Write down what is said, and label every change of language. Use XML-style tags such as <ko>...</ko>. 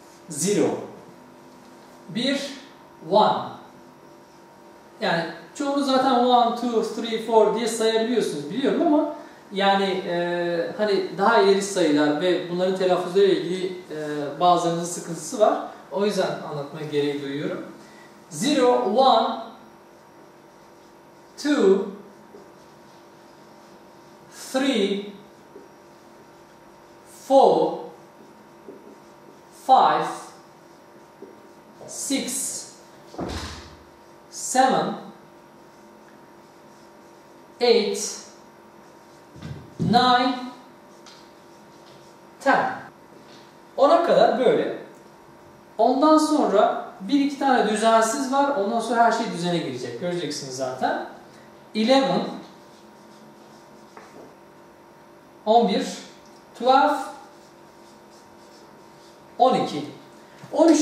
<en>Zero.</en> <tr>Bir,</tr> <en>one.</en> <tr>Yani çoğunuz zaten</tr> <en>one, two, three, four</en> <tr>diye sayabiliyorsunuz, biliyorum ama yani hani daha ileri sayılar ve bunların telaffuzuyla ilgili bazılarınızın sıkıntısı var. O yüzden anlatma gereği duyuyorum.</tr> <en>Zero, one, two, three, four, five, six, seven, eight, nine, ten.</en> <tr>Ona kadar böyle. Ondan sonra bir iki tane düzensiz var. Ondan sonra her şey düzene girecek. Göreceksiniz zaten. 11, 11, 12, 12.</tr>